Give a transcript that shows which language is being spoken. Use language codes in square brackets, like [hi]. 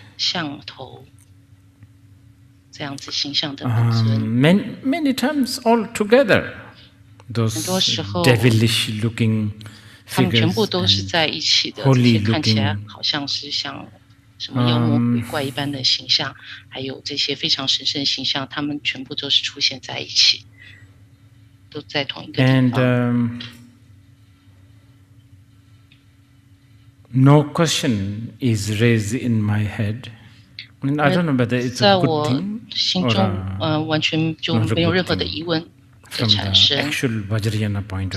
[zh] 象头这样子形象的本尊 [en] many times all together those devilish looking figures [zh] 他们全部都是在一起的这些看起来好像是像什么妖魔鬼怪一般的形象，还有这些非常神圣的形象，他们全部都是出现在一起，都在同一个地方。 [en] And, no question is raised in my head. I don't know whether it's a good thing or not a good thing from the actual Vajrayana point